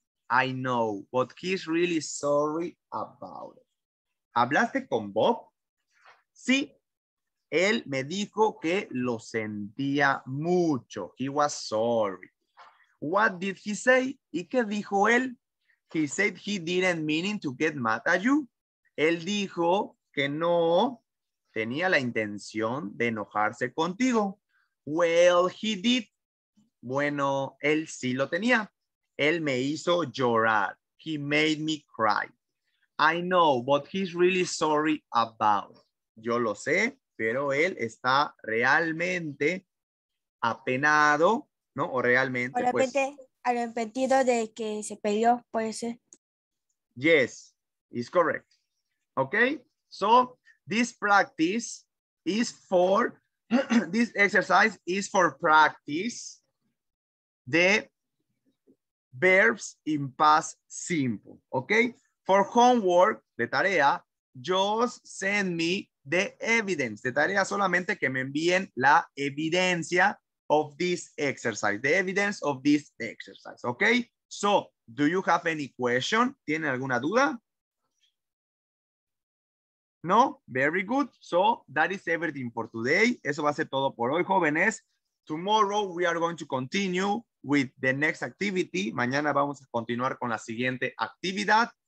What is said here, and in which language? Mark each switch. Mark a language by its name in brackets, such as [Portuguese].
[English] I know, but he's really sorry about it. [Spanish] ¿Hablaste con Bob? Sí. Él me dijo que lo sentía mucho. [English] He was sorry. What did he say? [Spanish] ¿Y qué dijo él? [English] He said he didn't mean to get mad at you. [Spanish] Él dijo que no tenía la intención de enojarse contigo. [English] Well, he did. [Spanish] Bueno, él sí lo tenía. Él me hizo llorar. [English] He made me cry. I know, but he's really sorry about. [Spanish] Yo lo sé, pero él está realmente apenado, ¿no? O realmente, pues... Realmente arrepentido de que se peleó, puede ser. [English] Yes, it's correct. Okay, so this practice is for, this exercise is for practice the verbs in past simple, okay? For homework, [Spanish] de tarea, [English] just send me the evidence. [Spanish] De tarea, solamente que me envíen la evidencia [English] of this exercise. The evidence of this exercise. Okay? So, do you have any question? [Spanish] ¿Tienen alguna duda? [English] No? Very good. So, that is everything for today. [Spanish] Eso va a ser todo por hoy, jóvenes. [English] Tomorrow, we are going to continue with the next activity. [Spanish] Mañana vamos a continuar con la siguiente actividad.